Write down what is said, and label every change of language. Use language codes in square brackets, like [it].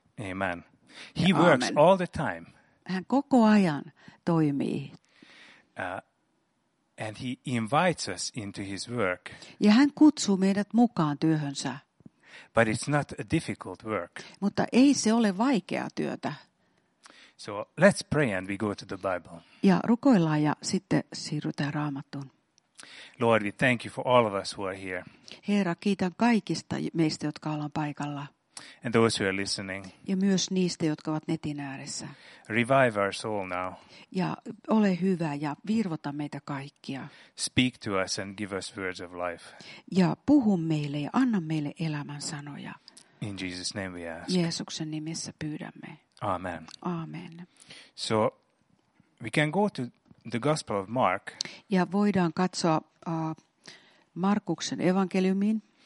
[en] Amen. He Amen. Works all the time. [fi] Hän koko ajan toimii. [en] And he invites us into his work. [fi] Ja hän kutsuu meidät mukaan työhönsä. [en] But it's not a difficult work. [fi] Mutta ei se ole vaikeaa työtä. [en] So let's pray and we go to the Bible. [fi] Ja rukoillaan ja sitten siirrytään Raamattuun. [en] Lord, we thank you for all of us who are here. [fi] Herra, kiitän kaikista meistä, jotka ollaan paikalla. [en] And those who are listening. [fi] Ja myös niistä, jotka ovat netin ääressä. [en] Revive our soul now. [fi] Ja ole hyvä ja virvota meitä kaikkia. [en] Speak to us and give us words of life. [fi] Ja puhu meille ja anna meille elämän sanoja. [en] In Jesus' name we ask. [fi] Jeesuksen nimessä pyydämme. [en] Amen. [fi] Amen. [en] So we can go to the Gospel of Mark. [fi] Ja voidaan katsoa Markuksen evankeliumiin.